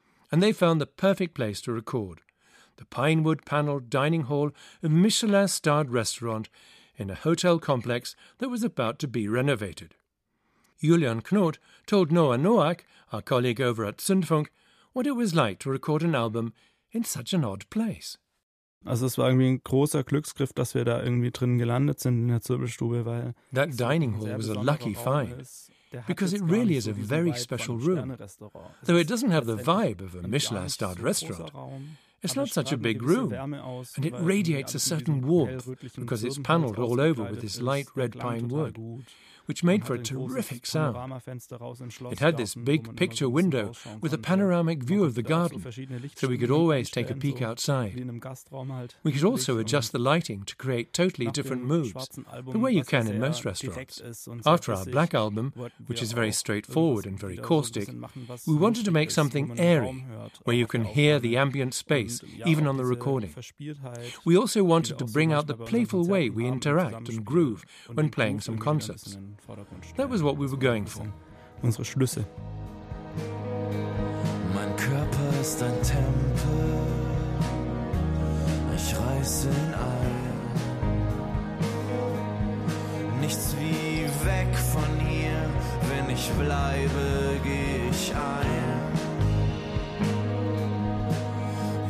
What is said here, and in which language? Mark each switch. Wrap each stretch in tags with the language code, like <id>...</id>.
<en>And they found the perfect place to record, the pinewood-panelled dining hall of Michelin-starred restaurant in a hotel complex that was about to be renovated. Julian Knoth told Noah Noack, our colleague over at Zündfunk, what it was like to record an album in such an odd place.</en> <de>Also es war irgendwie ein großer Glücksgriff, dass wir da irgendwie drin gelandet sind in der Zirbelstube, weil</de> <en>that dining hall was a lucky find, because it really is a very special room. Though it doesn't have the vibe of a Michelin-starred restaurant, it's not such a big room, and it radiates a certain warmth, because it's paneled all over with this light red pine wood, which made for a terrific sound. It had this big picture window with a panoramic view of the garden, so we could always take a peek outside. We could also adjust the lighting to create totally different moods, the way you can in most restaurants. After our Black album, which is very straightforward and very caustic, we wanted to make something airy, where you can hear the ambient space, even on the recording. We also wanted to bring out the playful way we interact and groove when playing some concerts. That was what we were going for.</en> <de>Unsere Schlüsse. Mein Körper ist ein Tempel. Ich reiße ihn ein. Nichts wie weg von hier. Wenn ich bleibe, gehe ich ein.</de>